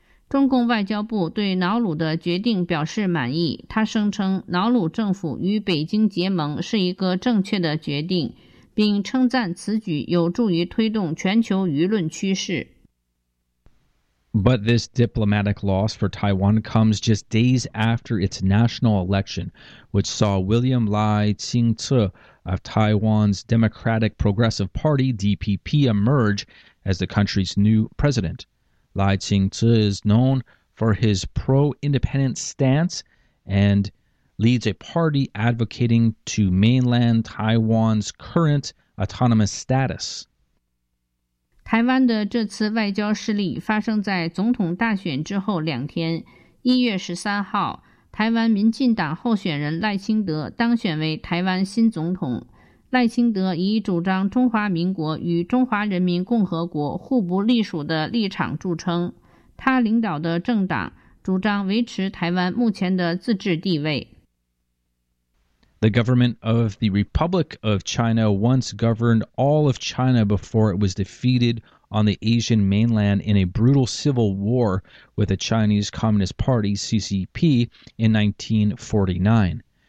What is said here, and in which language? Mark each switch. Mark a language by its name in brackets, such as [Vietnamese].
[Chinese] 中共外交部对瑙鲁的决定表示满意，他声称瑙鲁政府与北京结盟是一个正确的决定，并称赞此举有助于推动全球舆论趋势。 [English] But this diplomatic loss for Taiwan comes just days after its national election, which saw William Lai Ching-te of Taiwan's Democratic Progressive Party, DPP, emerge as the country's new president. Lai Ching-te is known for his pro-independent stance and leads a party advocating to mainland Taiwan's current autonomous status. [Chinese] 台湾的这次外交失利发生在总统大选之后两天。 1月13号，台湾民进党候选人赖清德当选为台湾新总统。赖清德以主张中华民国与中华人民共和国互不隶属的立场著称，他领导的政党主张维持台湾目前的自治地位。 [English] The government of the Republic of China once governed all of China before it was defeated on the Asian mainland in a brutal civil war with the Chinese Communist Party, CCP, in 1949.